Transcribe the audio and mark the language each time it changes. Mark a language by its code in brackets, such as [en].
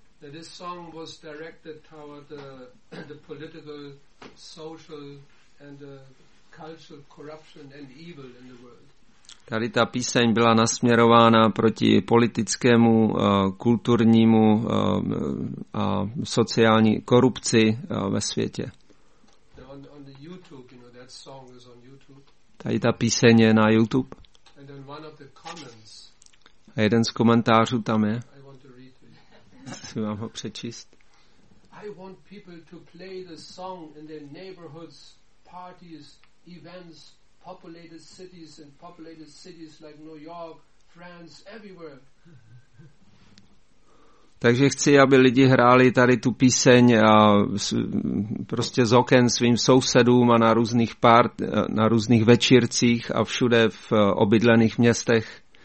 [en] This song was directed toward the political, social and cultural corruption and evil in the world. [cs] Tady ta píseň byla nasměrována proti politickému, kulturnímu a sociální korupci ve světě. [en] On the YouTube, you know, that song is on YouTube. [cs] Tady ta píseň je na YouTube. [en] And then one of the comments. [cs] A jeden z komentářů tam je. Chci vám ho přečíst. [en] I want people to play the song in their neighborhoods, parties, events, populated cities and populated cities like New York, France, everywhere. [cs] Takže chci, aby lidi hráli tady tu píseň a prostě z oken svým sousedům a na různých na různých večírcích a všude v obydlených městech.